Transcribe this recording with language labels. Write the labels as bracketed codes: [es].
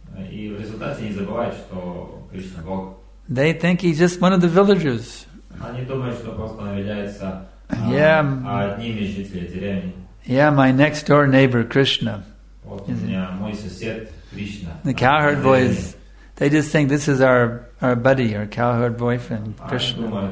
[ru] И в результате не забывают, что Кришна Бог. [en] They think he's just one of the villagers. [ru] Они думают, что просто он является одним из жителей деревни. [en] Yeah, my next door neighbor Krishna. [ru] Вот у меня мой сосед Кришна. [en] The cowherd boys. They just think this is our buddy, our cowherd boyfriend, Krishna.